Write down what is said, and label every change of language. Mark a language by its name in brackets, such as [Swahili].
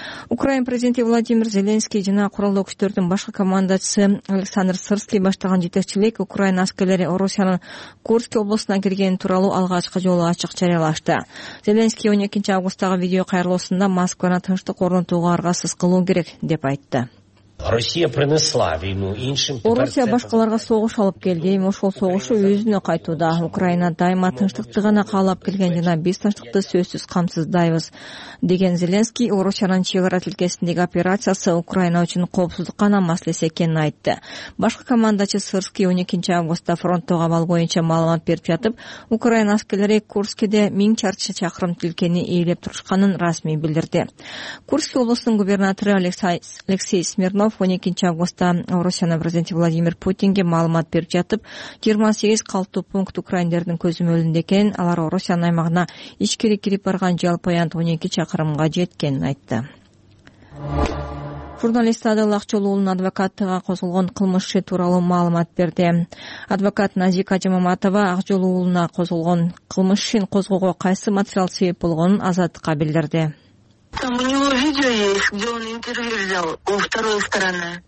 [Kyrgyz] Украина президенти Владимир Зеленский жана курулдук күчтөрдүн башкы командачысы Александр Сырский баштаган жетекчилик Украина аскерлери Орусиянын Курск облусуна киргени тууралуу алгачкы жолу ачык жарыялашты. Зеленский 12 августтагы видео кайрылуусунда Москвана тынчтык орнотууга аргасыз кылуу керек деп айтты. [Russian] Россия принесла войну иншим. [Kyrgyz] Орусия башкаларга согуш алып келди, эми ошол согушу өзүнө кайтууда. Украина дайыма тынчтыкты гана каалап келген жана биз тынчтыкты сөзсүз камсыздайбыз деген Зеленский Орусиянын чек ара тилкесиндеги операциясы Украина үчүн коопсуздук гана маселеси экенин айтты. Башкы командачы Сырский 12 августта фронттогу абал боюнча маалымат берип жатып, Украина аскерлери Курскиде 1000 чакырым тилкени ээлеп турушканын расмий билдирди. Курск облусунун губернатору Алексей Смирнов 12 августта Орусиянын президенти Владимир Путинге маалымат берип жатып, 28 калктуу пункт украиндердин көзөмөлүндө экен, алар Орусиянын аймагына ичкери кирип барган жалпы аянт 12 чакырымга жеткенин айтты. Журналист Адыл Акжол уулунун адвокаттыгы козголгон кылмыш иши тууралуу маалымат берди. Адвокат Назика Жамаматова Акжол уулуна козголгон кылмыш ишин козгоого кайсы материал себеп болгонун Азаттыкка билдирди. [Russian] Там у него видео есть, где он интервью взял у второй стороны.